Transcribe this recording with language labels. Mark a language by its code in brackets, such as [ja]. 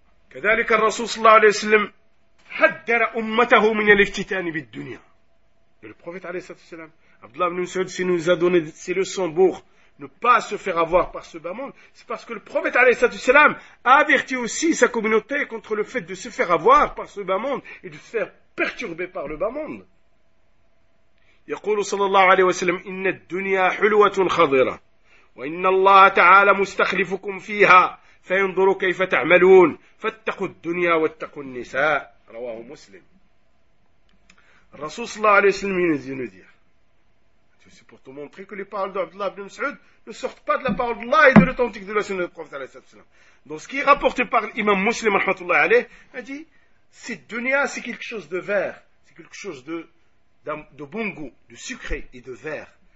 [ar] كذلك الرسول صلى الله عليه وسلم حذر أمته من الافتتان بالدنيا. [fr] Le prophète عليه الصلاة والسلام, Abdullah ibn Mas'ud, s'il nous a donné ces leçons pour ne pas se faire avoir par ce bas monde, c'est parce que le prophète عليه الصلاة والسلام a averti aussi sa communauté contre le fait de se faire avoir par ce bas monde et de se faire perturber par le bas monde. [ar] يقول صلى الله عليه وسلم إن الدنيا حلوة خضرة وإن الله تعالى مستخلفكم فيها فينظر كيف تعملون فاتقوا الدنيا واتقوا النساء رواه مسلم. الرسول صلى الله عليه وسلم ينذر. [fr] C'est pour te montrer que les paroles d'Abdullah ibn Mas'ud ne sortent pas de la parole d'Allah et de l'authentique de la sunna du prophète عليه الصلاة والسلام. Dans ce qui est rapporté par l'imam Muslim رحمه الله عليه, il a dit cette dunya c'est quelque chose de vert, c'est quelque chose de bon goût, de sucré et de vert.